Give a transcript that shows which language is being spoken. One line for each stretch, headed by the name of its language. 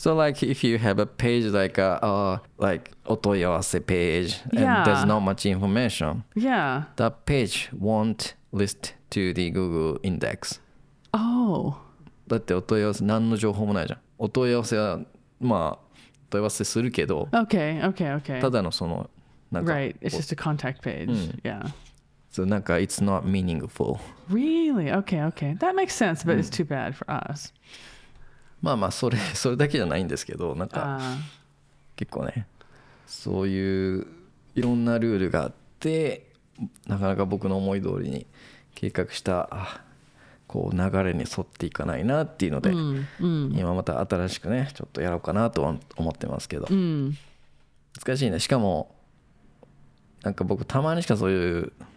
English: So like if you have a page like a, like お問い合わせ page and there's not much information, that page won't listto the Google index. Oh.
Japanese: だってお問い合わせ何の情報もないじゃん。お問い合わせはまあ問い合わせするけど。
English: Okay, okay, okay.
Japanese: ただのそのなんか。
English: Right, it's just a contact page. Yeah. So なんか it's not meaningful. Really? Okay, okay. That makes sense, but it's too bad for us.
Japanese: まあまあそれだけじゃないんですけど、なんか結構ね、そういういろんなルールがあってなかなか僕の思い通りに。計画したこう流れに沿っていかないなっていうので、今また新しくねちょっとやろうかなと思ってますけど、難しいね。しかもなんか僕たまにしかそういう